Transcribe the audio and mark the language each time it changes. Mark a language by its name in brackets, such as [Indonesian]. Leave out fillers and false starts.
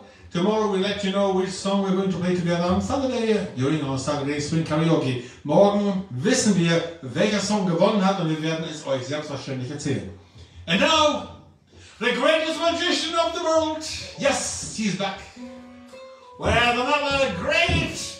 [English] Tomorrow we'll let you know which song we're going to play together on Saturday during our Saturday Swing Karaoke. [German] Morgen wissen wir, welcher Song gewonnen hat, und wir werden es euch selbstverständlich erzählen. [English] And now, the greatest magician of the world. Yes, he's back. With another great